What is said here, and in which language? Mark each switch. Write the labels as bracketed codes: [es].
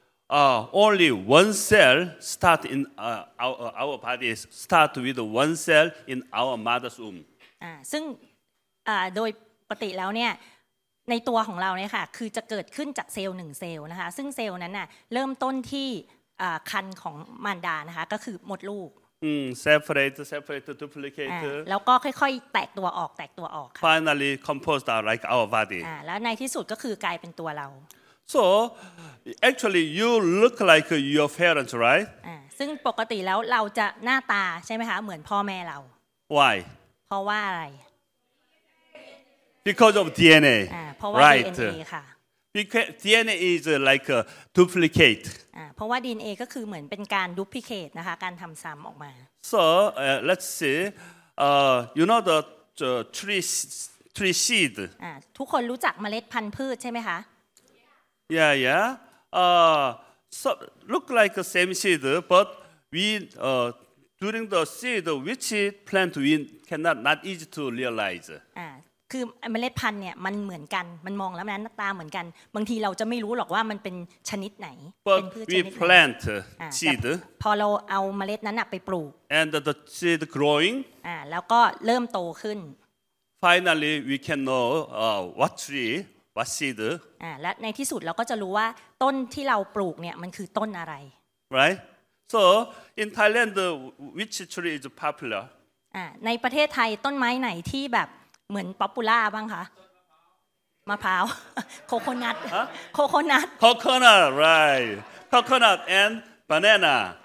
[en] only one cell start in our body start with one cell in our mother's womb [th] ซึ่งโดยปกติแล้วเนี่ยในตัวของเราเนี่ยค่ะคือจะเกิดขึ้นจากเซลล์1เซลล์นะคะซึ่งเซลล์นั้นน่ะเริ่มต้นที่ครรภ์ของมารดานะคะก็คือมดลูก [en] separate duplicate [th] แล้วก็ค่อยๆแตกตัวออกค่ ะ [en] finally compose like our body [th] แล้วในที่สุดก็คือกลายเป็นตัวเรา [en] so actually you look like your parents right [th] ซึ่งปกติแล้วเราจะหน้าตาใช่ไหมคะเหมือนพ่อแม่เรา [en] why [th] เพราะว่าอะไร [en] Because of DNA, right? Because DNA is like duplicate. Because DNA is like duplicate, right? So let's see. You know the tree seed. Everyone knows the seed of a plant, right? So look like the same seed, but during the seed, which plant we cannot not easy to realize. [th] คือเมล็ดพันธุ์เนี่ยมันเหมือนกันมันมองแล้วนั้นหน้าตาเหมือนกันบางทีเราจะไม่รู้หรอกว่ามันเป็นชนิดไหนเป็นพื ชชนิดไหน [en] plant seed [th] พอเราเอาเมล็ดนั้นไปปลูก [en] and the seed growing [th] แล้วก็เริ่มโตขึ้น [en] finally we can know what tree what seed [th] และในที่สุดเราก็จะรู้ว่าต้นที่เราปลูกเนี่ยมันคือต้นอะไร [en] right so in Thailand which tree is popular [th] ในประเทศไทยต้นไม้ไหนที่แบบเหมือนป๊อปปูล่าบ้างคะมะพร้าวโคโคนัทโคโคนัท [en] โคโคนัท right โคโคนัท and banana